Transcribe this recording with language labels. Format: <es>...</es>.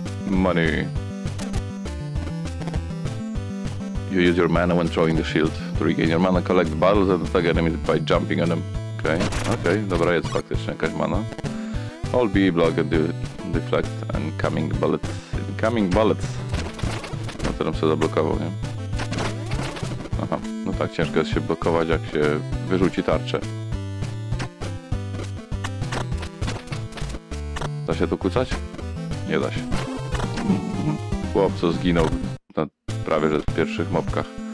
<en>Money. You use your mana when throwing the shield to regain your mana, collect bottles and attack enemies by jumping on them.</en> <pl>Okay, okay, dobra, jest faktycznie jakaś mana.</pl> <en>Hold B block and deflect incoming bullets. Incoming bullets.</en> <pl>No to nam się zablokował, nie? Aha, no tak ciężko jest się blokować, jak się wyrzuci tarczę. Da się tu kucać? Nie da się. Chłopco zginął na prawie że pierwszych mopkach.</pl>